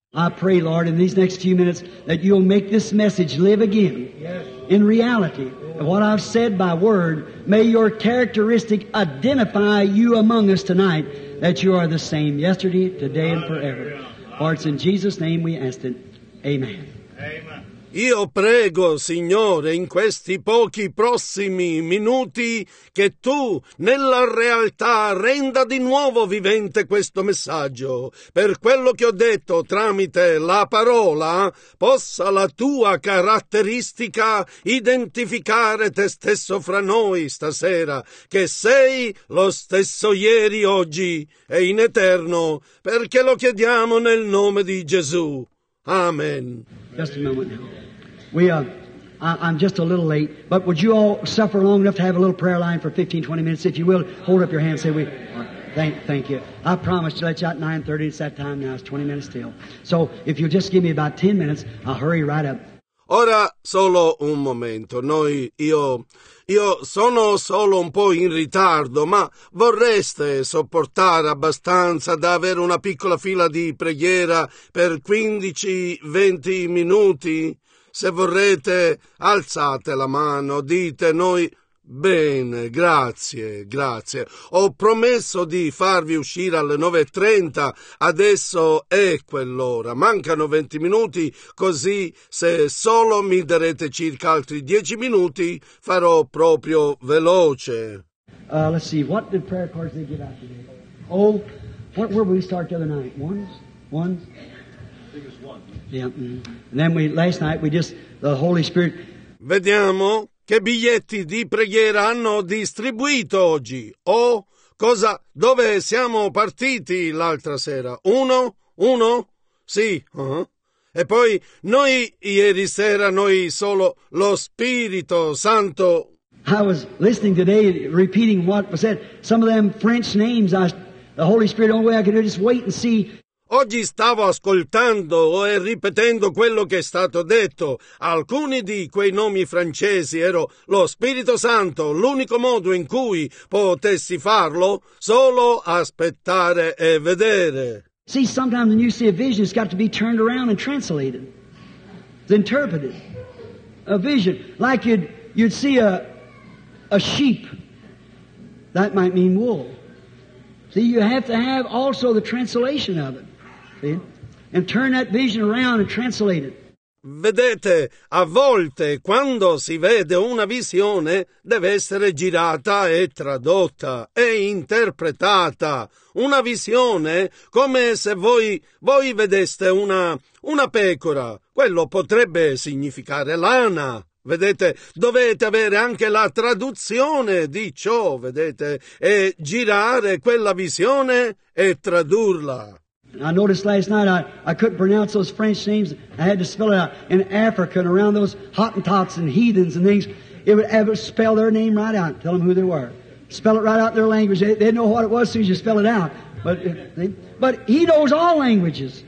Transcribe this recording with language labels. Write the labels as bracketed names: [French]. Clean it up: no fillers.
[English] I pray, Lord, in these next few minutes that you'll make this message live again. In reality, what I've said by word, may your characteristic identify you among us tonight, that you are the same yesterday, today, and forever. For it's in Jesus' name we ask it. Amen. Amen. [Italian] Io prego, Signore, in questi pochi prossimi minuti, che Tu, nella realtà, renda di nuovo vivente questo messaggio. Per quello che ho detto tramite la parola, possa la Tua caratteristica identificare Te stesso fra noi stasera, che sei lo stesso ieri, oggi e in eterno, perché lo chiediamo nel nome di Gesù. Amen. [English] Just a moment now. We I'm just a little late, but would you all suffer long enough to have a little prayer line for 15, 20 minutes? If you will, hold up your hand and say, thank you. I promised to let you out at 9:30. It's that time now. It's 20 minutes still. So if you'll just give me about 10 minutes, I'll hurry right up. [Italian] Ora, solo un momento. Io sono solo un po' in ritardo, ma vorreste sopportare abbastanza da avere una piccola fila di preghiera per 15-20 minuti? Se vorrete, alzate la mano, dite noi. Bene, grazie. Ho promesso di farvi uscire alle 9:30, adesso è quell'ora. Mancano 20 minuti, così se solo mi darete circa altri 10 minuti, farò proprio veloce. [English] Let's see, what did prayer cards they give out today? Oh, what, where did we start the other night? One? I think it was one. Yeah, mm-hmm. And then the Holy Spirit... [Italian] Vediamo... Che biglietti di preghiera hanno distribuito oggi? Dove siamo partiti l'altra sera? Uno? Sì. Uh-huh. E poi noi ieri sera, noi solo lo Spirito Santo. [English] I was listening today, repeating what was said. Some of them French names, the Holy Spirit, the only way I could do it, just wait and see. [Italian] Oggi stavo ascoltando e ripetendo quello che è stato detto. Alcuni di quei nomi francesi ero lo Spirito Santo. L'unico modo in cui potessi farlo, solo aspettare e vedere. [English] See, sometimes when you see a vision, it's got to be turned around and translated. It's interpreted. A vision. Like you'd see a sheep. That might mean wool. See, you have to have also the translation of it. And turn that vision around and translate it. [Italian] Vedete, a volte quando si vede una visione deve essere girata e tradotta e interpretata. Una visione come se voi vedeste una pecora. Quello potrebbe significare lana. Vedete, dovete avere anche la traduzione di ciò, vedete, e girare quella visione e tradurla. [English] I noticed last night I couldn't pronounce those French names. I had to spell it out in Africa and around those Hottentots and heathens and things. It would spell their name right out, tell them who they were. Spell it right out in their language. They'd know what it was as soon as you spell it out. But he knows all languages.